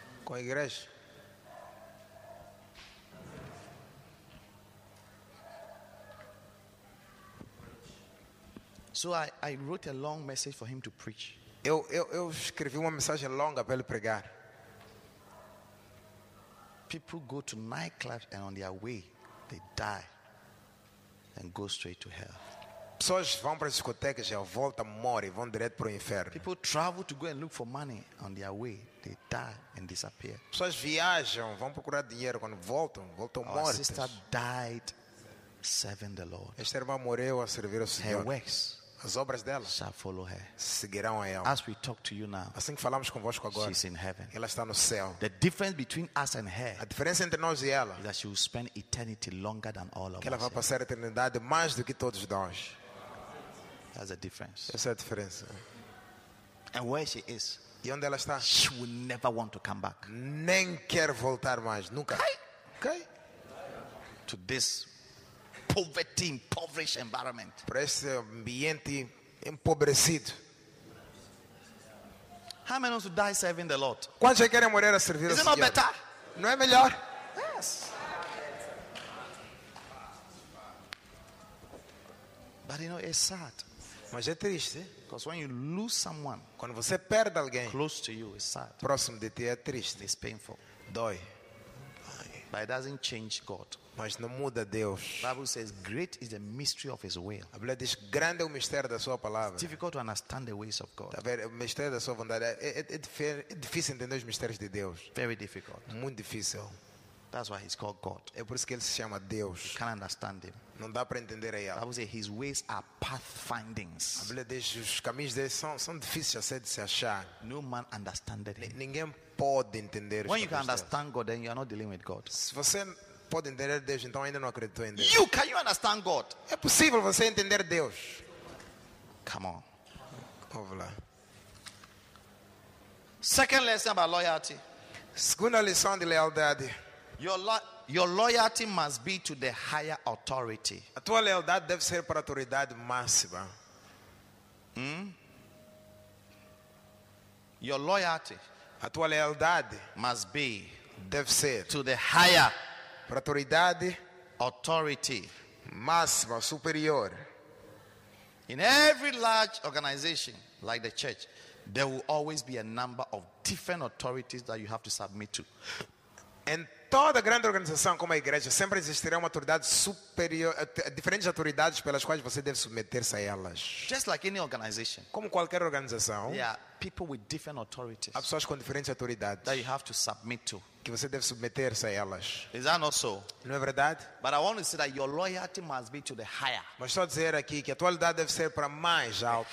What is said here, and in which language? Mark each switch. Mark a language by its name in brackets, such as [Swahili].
[Portuguese] Com a igreja. [English] So I wrote a long message for him to preach. [Portuguese] Eu escrevi uma mensagem longa para ele pregar. [English] People go to nightclubs and on their way they die and go straight to hell. [Portuguese] Pessoas vão para as discotecas e ao volta morrem, vão direto para o inferno. [English] People travel to go and look for money on their way they die and disappear. [Portuguese] Pessoas viajam, vão procurar dinheiro, quando voltam [English] Our [Portuguese] mortas. [English] Sister died serving the Lord. [Portuguese] Esta irmã morreu a servir ao Senhor. [English] Her works. [Portuguese] As obras dela [English] shall follow her. [Portuguese] Seguirão a ela. [English] As we talk to you now, [Portuguese] assim que falamos convosco agora, [English] she's in heaven. [Portuguese] Ela está no céu. [English] The difference between us and her, [Portuguese] a diferença entre nós e ela, [English] is that she will spend eternity longer than all of us. [Portuguese] Que ela vai passar a eternidade mais do que todos nós. [English] That's the difference. [Portuguese] Essa é a diferença. [English] And where she is, [Portuguese] e onde ela está, [English] she will never want to come back. [Portuguese] Nem quer voltar mais, nunca. [English] Okay. To this poverty, impoverished environment. [Portuguese] Para esse ambiente empobrecido. [English] How many to die serving the Lord? [Portuguese] Quantos já querem morrer a servir [English] Isn't [Portuguese] ao Senhor? [English] Better? [Portuguese] Não é melhor? [English] Yes. But you know, it's sad. [Portuguese] Mas é triste. [English] Because when you lose someone, [Portuguese] quando você perde alguém [English] close to you, it's sad. [Portuguese] Próximo de ti, é triste. [English] It's painful. [Portuguese] Dói. [English] But it doesn't change God. [Portuguese] Mas não muda Deus. [English] The Bible says, "Great is the mystery of His will." [Portuguese] A Bíblia diz, grande é o mistério da sua palavra. [English] It's difficult to understand the ways of God. [Portuguese] O mistério da sua vontade é difícil entender os mistérios de Deus. [English] Very difficult. [Portuguese] Muito difícil. [English] That's why He's called God. [Portuguese] É por isso que Ele se chama Deus. [English] You can't understand Him. [Portuguese] Não dá para entender a Ele. [English] The Bible says, His ways are pathfindings. [Portuguese] A Bíblia diz, os caminhos dele são difíceis de se achar. [English] No man understood Him. [Portuguese] Ninguém pode entender. [English] When you can understand God, then you are not dealing with God. [Portuguese] Se você pode entender Deus, então ainda não acredito em Deus. [English] You can you understand God? [Portuguese] É possível você entender Deus? [English] Come on. Ovla. Second lesson about loyalty. [Portuguese] Segunda lição de lealdade. [English] Your loyalty must be to the higher authority. [Portuguese] A tua lealdade deve ser para a autoridade máxima. [English] Your loyalty. [Portuguese] A tua lealdade [English] must be [Portuguese] deve ser [English] to the higher [Portuguese] para autoridade [English] authority [Portuguese] máxima superior. [English] In every large organization like the church, there will always be a number of different authorities that you have to submit to. [Portuguese] Em toda grande organização como a igreja, sempre existirá uma autoridade superior, diferentes autoridades pelas quais você deve submeter-se a elas. [English] Just like any organization, [Portuguese] como qualquer organização, [English] yeah, people with different authorities, [Portuguese] há pessoas com diferentes autoridades [English] that you have to submit to. [Portuguese] Que você deve submeter-se a elas. [English] Is that not so? [Portuguese] Não é verdade? [English] But I want to say that your loyalty must be to the higher. [Portuguese] Mas estou a dizer aqui que a tua lealdade deve ser para mais alta.